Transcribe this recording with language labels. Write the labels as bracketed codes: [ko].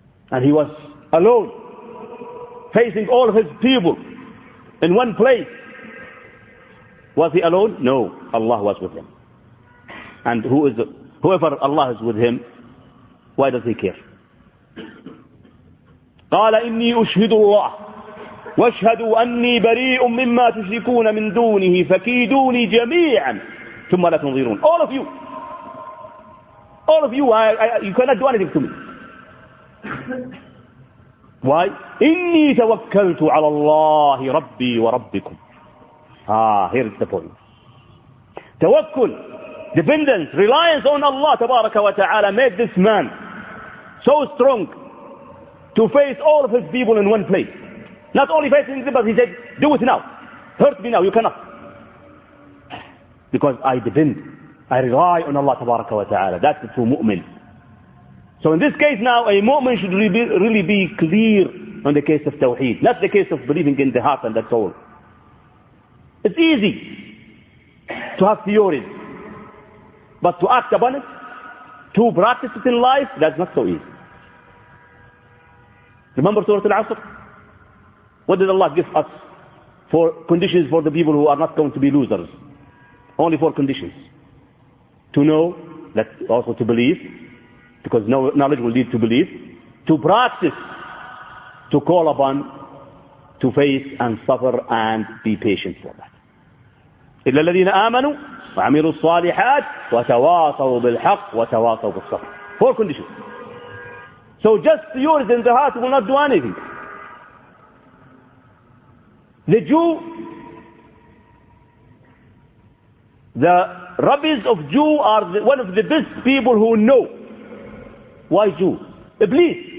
[en] And he was alone, facing all of his people in one place. Was he alone? No, Allah was with him. And whoever Allah is with him, why does he care? [ar] قال إني أشهد الله واشهدوا أني بريء مما تشركون من دونه فكيدوني جميعا ثم لا تنظرون. [en] All of you, all of you, you cannot do anything to me. Why? [ar] إني توكلت على الله ربي وربكم. [en] Here is the point. توكل, dependence, reliance on Allah تبارك وتعالى made this man so strong to face all of his people in one place. Not only facing them, but he said, do it now. Hurt me now, you cannot. Because I depend, I rely on Allah تبارك وتعالى. That's the true mu'min. So in this case now, a mu'min should really be clear on the case of tawheed, not the case of believing in the heart and the soul. It's easy to have theories, but to act upon it, to practice it in life, that's not so easy. Remember Surah Al-Asr? What did Allah give us for conditions for the people who are not going to be losers? Only four conditions. To know, that also to believe, because knowledge will lead to belief. To practice, to call upon, to face and suffer and be patient for that. [ar] إلا الذين آمنوا وعملوا الصالحات وتواصوا بالحق وتواصوا بالصبر. [en] Four conditions. So just theories in the heart will not do anything. The Jew, the rabbis of Jew are one of the best people who know. Why Jew? Iblis.